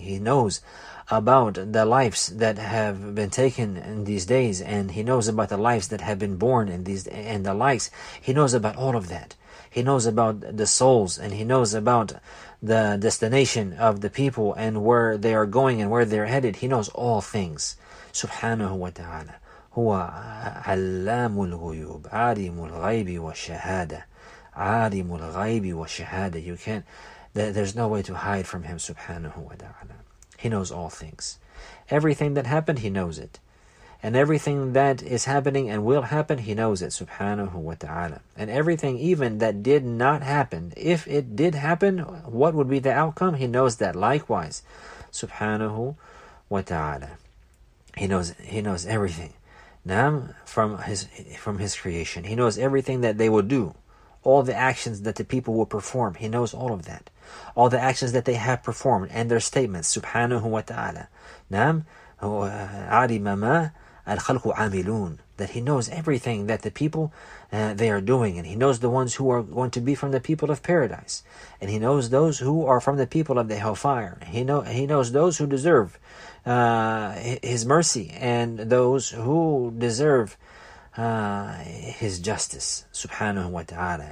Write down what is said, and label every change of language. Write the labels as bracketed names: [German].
[English] He knows about the lives that have been taken in these days, and He knows about the lives that have been born in these, and the likes. He knows about all of that. He knows about the souls, and He knows about the destination of the people and where they are going and where they're headed. He knows all things, subhanahu wa ta'ala. [Arabic] هو علام الغيوب عالم الغيب والشهادة عالم الغيب والشهادة. [English] You can't, there's no way to hide from Him subhanahu wa ta'ala. He knows all things. Everything that happened, He knows it. And everything that is happening and will happen, He knows it subhanahu wa ta'ala. And everything even that did not happen, if it did happen, what would be the outcome? He knows that likewise subhanahu wa ta'ala. He knows everything. Naam, from his creation. He knows everything that they will do. All the actions that the people will perform, He knows all of that. All the actions that they have performed and their statements, subhanahu wa ta'ala. [Arabic] Naam, عَلِمَ مَا الْخَلْقُ عَامِلُونَ. [English] That He knows everything that the people, they are doing. And He knows the ones who are going to be from the people of paradise. And He knows those who are from the people of the hellfire. He knows those who deserve His mercy and those who deserve His justice, subhanahu wa ta'ala.